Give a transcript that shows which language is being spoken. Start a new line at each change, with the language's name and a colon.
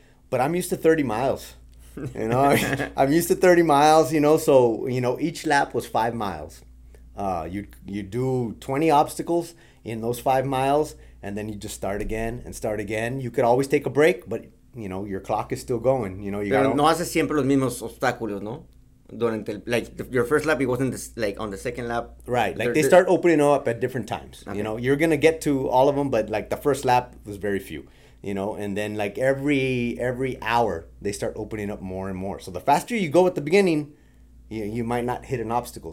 English: But I'm used to 30 miles, you know. I'm used to 30 miles, you know. So, you know, each lap was 5 miles. You do 20 obstacles in those 5 miles, and then you just start again and start again. You could always take a break, but, you know, your clock is still going, you know.
Spanish: Pero no haces siempre los mismos obstáculos, ¿no?
English: During your first lap, it wasn't on the second lap. Right. Like they start opening up at different times. Okay. You know, you're going to get to all of them, but like the first lap was very few, you know, and then like every hour they start opening up more and more. So the faster you go at the beginning, you might not hit an obstacle.